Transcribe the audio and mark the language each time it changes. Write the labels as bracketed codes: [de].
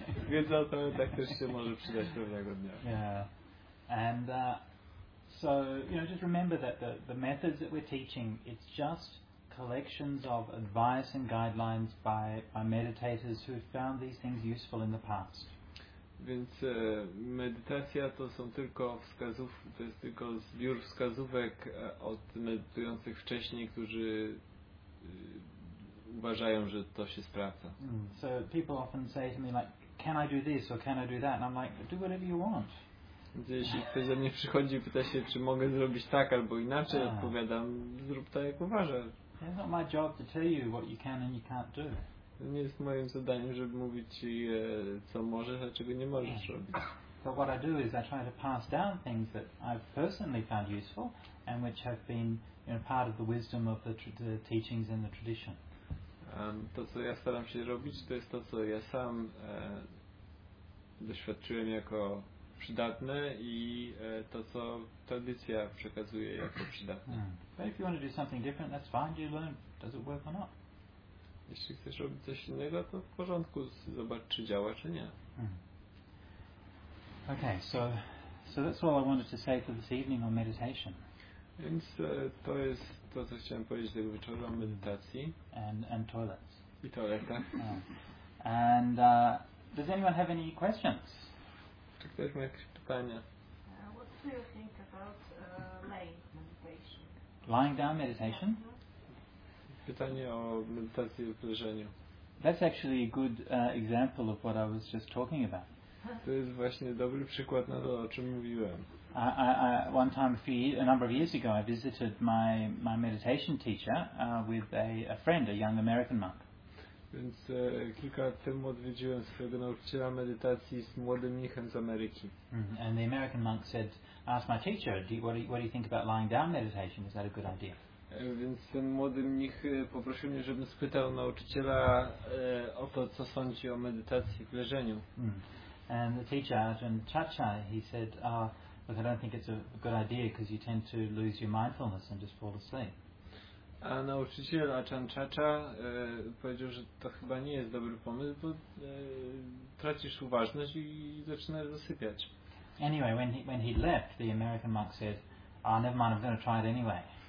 [pl] Wiedza o tym tak też się może przydać pewnego dnia. [en] Yeah. And so, you know, just remember that the methods that we're teaching, it's just collections of advice and guidelines by meditators who have found these things useful in the past. [pl] Więc medytacja to są tylko wskazówki, to jest tylko zbiór wskazówek od medytujących wcześniej, którzy uważają, że to się sprawdza. [en] So people often say to me like, can I do this or can I do that? And I'm like, do whatever you want. [pl] Jeśli ktoś do mnie przychodzi i pyta się, czy mogę zrobić tak albo inaczej, odpowiadam, zrób to jak uważasz. [en] It's not my job to tell you what you can and you can't do. [pl] To nie jest moim zadaniem, żeby mówić ci, co możesz, a czego nie możesz zrobić. [en] So what I do is I try to pass down things that I've personally found useful and which have been part of the wisdom of the teachings and the tradition. [pl] To co ja staram się robić, to jest to, co ja sam doświadczyłem jako przydatne i to, co tradycja przekazuje jako przydatne. [en] But if you want to do something different, that's fine. You learn, does it work or not? [pl] Jeśli chcesz robić coś innego, to w porządku, zobacz, czy działa, czy nie. [en] Okay, so that's all I wanted to say for this evening on meditation. [pl] Więc to jest to, co chciałem powiedzieć tego wieczoru o medytacji. [en] And toilets. [pl] I toaleta. [en] And does anyone have any questions? [pl] Czy ktoś ma jakieś pytania? [en] What do you think about lying meditation? Lying down meditation? [pl] Pytanie o medytacji w leżeniu. [en] That's actually a good example of what I was just talking about. [pl] To jest właśnie dobry przykład na to, o czym mówiłem. [en] A number of years ago, I visited my meditation teacher with a friend, a young American monk. [pl] Więc kilka lat temu odwiedziłem swojego nauczyciela medytacji z młodym mnichem z Ameryki. [en] And the American monk said, "Ask my teacher, what do you think about lying down meditation? Is that a good idea?" [pl] Więc ten młody mnich poprosił mnie, żebym spytał nauczyciela o to, co sądzi o medytacji w leżeniu. [en] And the teacher, Ajahn Chacha, he said, "Look, I don't think it's a good idea because you tend to lose your mindfulness and just fall asleep." [pl] A nauczyciel Ajahn Chacha powiedział, że to chyba nie jest dobry pomysł, bo tracisz uważność i zaczynasz zasypiać. [en] Anyway, when he left, the American monk said, "Oh, never mind, I'm going to try it anyway."